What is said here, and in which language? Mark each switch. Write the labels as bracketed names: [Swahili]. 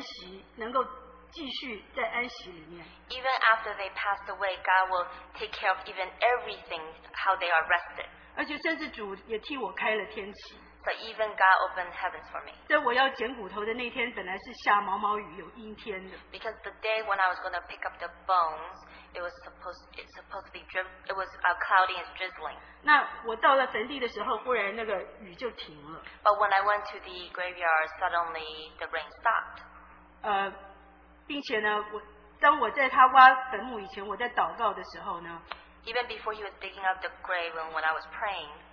[Chinese] 那甚至他们死了以后，主都会调动万事，让他们的安息能够继续在安息里面。 [English] Even after they passed away, God will take care of even everything how they are rested. [Chinese] 而且甚至主也替我开了天启。 [English] So even God opened heavens for me. [Chinese] 在我要剪骨头的那天，本来是下毛毛雨，有阴天的。 [English] Because the day when I was going to pick up the bones, it was cloudy and drizzling. [Chinese] 那我到了坟地的时候，忽然那个雨就停了。 [English] But when I went to the graveyard, suddenly the rain stopped. [Chinese] 并且呢，我当我在他挖坟墓以前，我在祷告的时候呢。 [English] Even before he was digging up the grave and when I was praying.